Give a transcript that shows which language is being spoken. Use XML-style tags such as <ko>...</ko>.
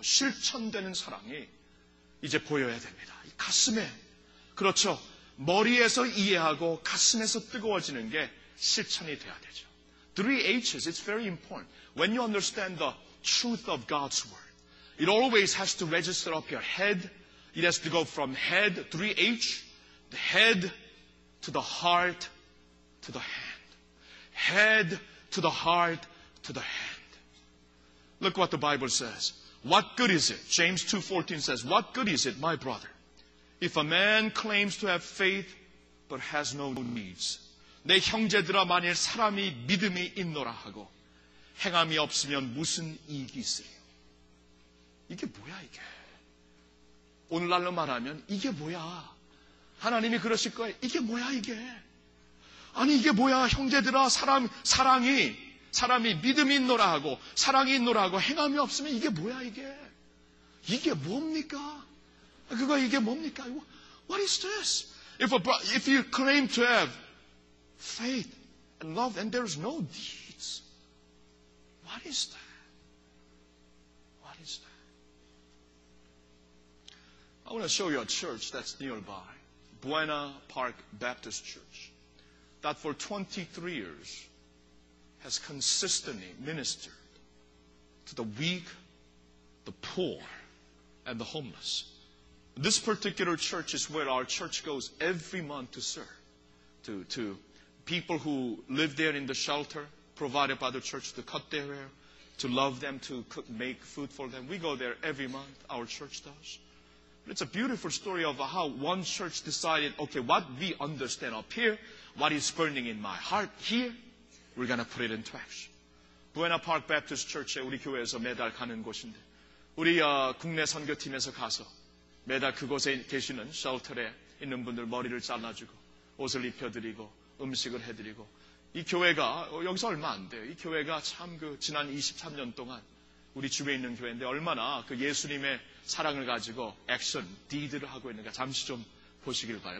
<ko>실천되는 사랑이 이제 보여야 됩니다. 이 가슴에, 그렇죠. 머리에서 이해하고 가슴에서 뜨거워지는 게 실천이 돼야 되죠.</ko> <en>Three H's, it's very important. When you understand the truth of God's word, it always has to register up your head. It has to go from head, 3H, the head to the heart to the hand. Head to the heart to the hand. Look what the Bible says. What good is it? James 2:14 says, what good is it, my brother, if a man claims to have faith but has no needs?</en> <ko>내 형제들아 만일 사람이 믿음이 있노라 하고 행함이 없으면 무슨 이익이 있으리요? 이게 뭐야 이게? 오늘날로 말하면 이게 뭐야? 하나님이 그러실 거예요. 이게 뭐야 이게? 아니 이게 뭐야 형제들아 사람이 믿음이 있노라 하고 사랑이 있노라 하고 행함이 없으면 이게 뭐야 이게? 이게 뭡니까? 그거 이게 뭡니까?</ko> <en>What is this? If you claim to have faith and love, and there's no deeds. What is that? What is that? I want to show you a church that's nearby, Buena Park Baptist Church, that for 23 years has consistently ministered to the weak, the poor, and the homeless. This particular church is where our church goes every month to serve, to people who live there in the shelter provided by the church, to cut their hair, to love them, to cook, make food for them. We go there every month, our church does. But it's a beautiful story of how one church decided, okay, what we understand up here, what is burning in my heart here, we're going to put it into action.</en> <ko>Buena Park Baptist Church에 우리 교회에서 매달 가는 곳인데, 우리 국내 선교팀에서 가서 매달 그곳에 계시는 shelter에 있는 분들 머리를 잘라주고 옷을 입혀드리고 음식을 해드리고, 이 교회가 여기서 얼마 안 돼요. 이 교회가 참 그 지난 23년 동안 우리 주위에 있는 교회인데 얼마나 그 예수님의 사랑을 가지고 액션, 디드를 하고 있는가 잠시 좀 보시길 바라요.</ko>